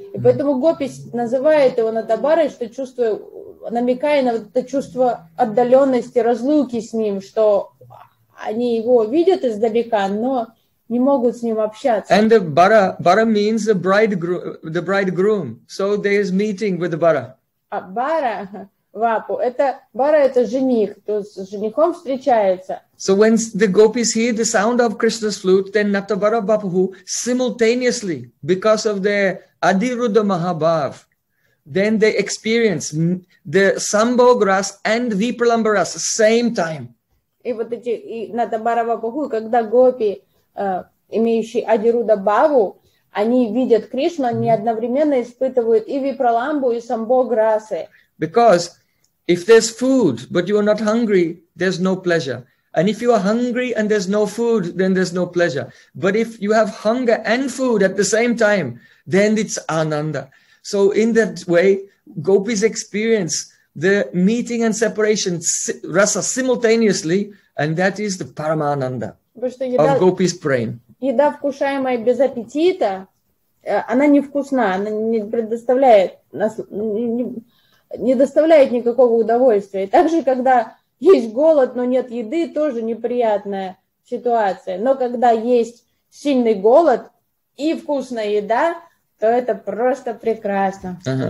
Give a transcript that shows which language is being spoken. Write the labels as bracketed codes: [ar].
[ru] И поэтому гопис называет его Натабарой, что чувство, намекая на вот это чувство отдаленности, разлуки с ним, что они его видят издалека, но не могут с ним общаться. [en] And the bara means the bridegroom. So there is meeting with the bara. [ru] А бара, вапу, это бара, это жених, то есть с женихом встречается. [en] So when the gopis hear the sound of Krishna's flute, then Natavara Vapuhu, simultaneously, because of their Adiruddha Mahabhav, then they experience the Sambhog Ras and Vipralamba Ras at the same time. [ru] И вот эти, и Натавара Вапуху, когда гопи, имеющие Адирудда Бхаву, они видят Кришну, они одновременно испытывают и Випраламбу, и Самбог Расы. [en] Because if there's food, but you are not hungry, there's no pleasure. And if you are hungry and there's no food, then there's no pleasure. But if you have hunger and food at the same time, then it's ananda. So in that way, gopis experience the meeting and separation rasa simultaneously, and that is the paramananda of gopis prem. [ru] Еда, вкушаемая без аппетита, она невкусна, она не предоставляет нас, не доставляет никакого удовольствия. И также, когда есть голод, но нет еды, тоже неприятная ситуация. Но когда есть сильный голод и вкусная еда, то это просто прекрасно.